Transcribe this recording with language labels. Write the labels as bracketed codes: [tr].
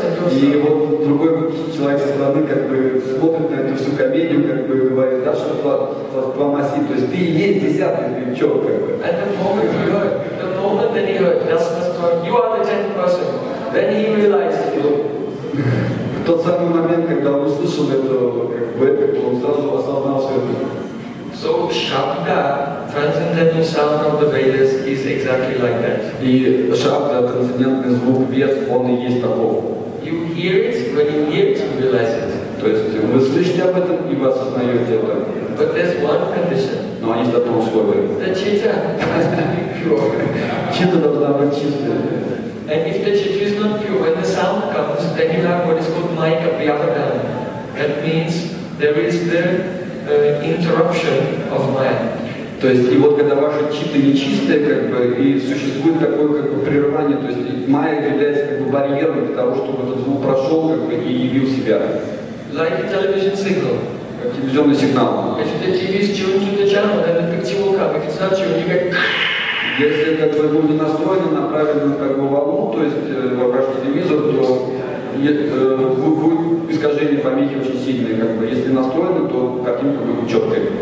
[ru] И вот другой человек со стороны как бы смотрит на эту всю комедию, как бы говорит, да, что Дасана-прамаси, то есть ты есть десятый крючок, как бы. [en] At the moment you heard, the moment that he heard Dasana-prama, you are the tenth person, then he realized you. [ru] В тот самый момент, когда он услышал это, как бы, он сразу осознал все это. [en] So Shabda, transcendental sound of the Vedas, is exactly like that. [ru] И Shabda, трансцендентный звук Вед, он и есть таков. [en] You hear it, when you hear it, you realize it. [ru] То есть вы слышите об этом и вы осознаете это. [en] But there's one condition. [ru] Но есть одно условие. [en] The chitta has to be pure. [ru] Chitta должна быть чистой. [en] And if the chitta is not pure, when the sound comes, then you have what is called mic of the other hand. That means there is the interruption of mind. [ru] То есть, и вот когда ваша чита нечистая, как бы, и существует такое как бы прерывание, то есть майя является как бы барьером для того, чтобы этот звук прошел как бы, и явил себя. [en] Like a television signal. [ru] Как телевизионный сигнал. [en] If the TV is tuned to the channel, then the picture will come. If it's not tuned, you get... [ru] Если как бы люди настроены на правильную как бы волну, то есть ваш телевизор, то будет искажение помехи очень сильное. Как бы. Если настроены, то картинка будет четкой.